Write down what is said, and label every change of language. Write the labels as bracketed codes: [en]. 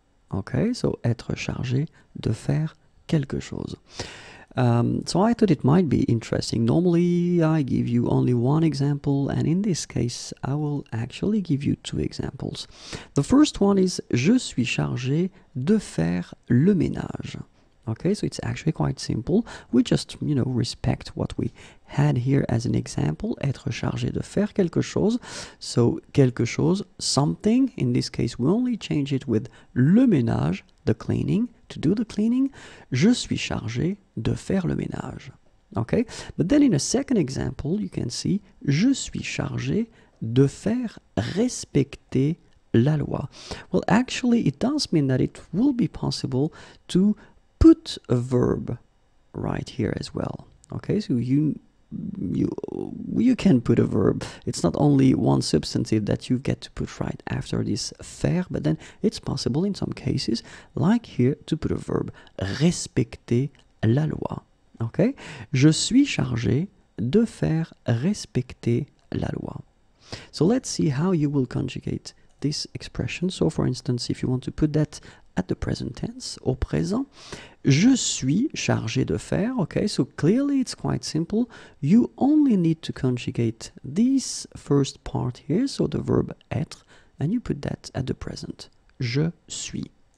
[fr] Okay, so être chargé de faire quelque chose. [en] So I thought it might be interesting. Normally I give you only one example, and in this case I will actually give you two examples. The first one is [fr] je suis chargé de faire le ménage. [en] Okay, so it's actually quite simple. We just, you know, respect what we had here as an example, [fr] être chargé de faire quelque chose. [en] So quelque chose, something, in this case we only change it with le ménage, the cleaning, to do the cleaning. [fr] Je suis chargé de faire le ménage. [en] Okay, but then in a second example, you can see [fr] je suis chargé de faire respecter la loi. [en] Well, actually it does mean that it will be possible to put a verb right here as well. Okay, so you can put a verb. It's not only one substantive that you get to put right after this faire, but then it's possible in some cases, like here, to put a verb, respecter la loi. [fr] Okay, je suis chargé de faire respecter la loi. [en] So let's see how you will conjugate this expression. So for instance, if you want to put that at the present tense, au présent, [fr] je suis chargé de faire. [en] Okay, so clearly it's quite simple. You only need to conjugate this first part here, so the verb être, and you put that at the present. [fr] Je suis.